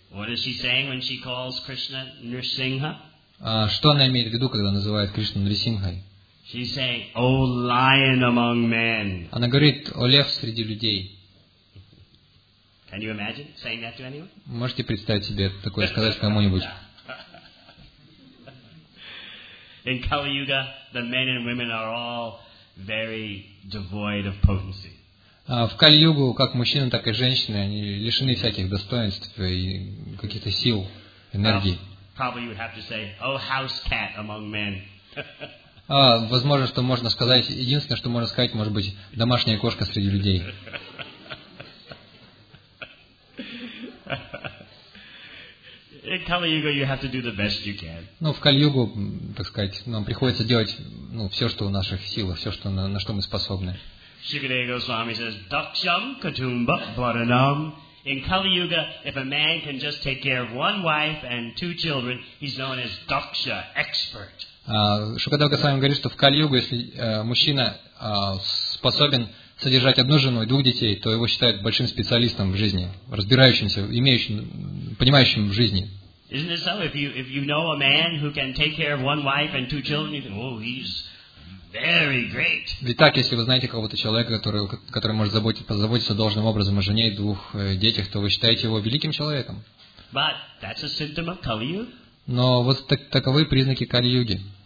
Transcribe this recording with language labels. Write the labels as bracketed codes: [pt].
[en] What is she saying when she calls Krishna Nrisimha? [ru] Что она имеет в виду, когда называет Кришну Нарисимхой? [en] She's saying, "O lion among men." [ru] Она говорит, о лев среди людей. [en] Can you imagine saying that to anyone? [ru] Можете представить себе такое сказать кому-нибудь? [en] In Kali Yuga, the men and women are all very devoid of potency. [ru] В Кали-Югу как мужчины, так и женщины, они лишены всяких достоинств и каких-то сил, энергии. [en] Probably you would have to say, "Oh, house cat among men." [ru] Возможно, что можно сказать, единственное, что можно сказать, может быть, домашняя кошка среди людей. [en] In Kali-Yuga, you have to do the best you can. [ru] Ну, в Кали-Югу, так сказать, нам приходится делать ну, все, что в наших силах, все, что на что мы способны. [en] Shukadeva Goswami says, [sa] Daksham Katumba Bharanam. [en] In Kali-Yuga, if a man can just take care of one wife and two children, he's known as Daksha, expert. [ru] Шукадева Госвами говорит, что в Кали-Югу, если мужчина способен содержать одну жену и двух детей, то его считают большим специалистом в жизни, разбирающимся, имеющим, понимающим в жизни. [en] Isn't it so? If you know a man who can take care of one wife and two children, you think, oh, he's very great. [ru] Ведь так, если вы знаете какого-то человека, который может позаботиться должным образом о жене и двух детях, то вы считаете его великим человеком. [en] But that's a symptom of Kali-Yuga. [ru] Но вот таковы признаки Кали-Юги.